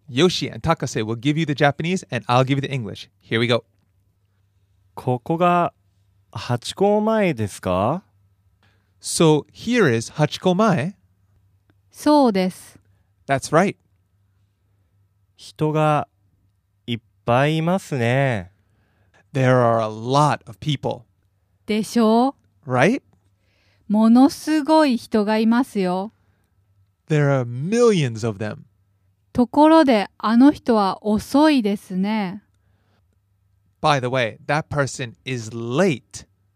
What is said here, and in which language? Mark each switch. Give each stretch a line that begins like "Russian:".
English: Yoshi and Takase will give you the Japanese and I'll give you the English. Here we go.
Japanese: ここがハチ公前ですか？
English: So, here is ハチ公前。
Japanese: そうです。
English: That's right.
Japanese: 人がいっぱいいますね。
English: There are a lot of people.
Japanese: でしょう？
English: Right?
Japanese: ものすごい人がいますよ。
English: There are millions of them.
Japanese: ところで、あの人は遅いですね。
English: By the way, that person is late.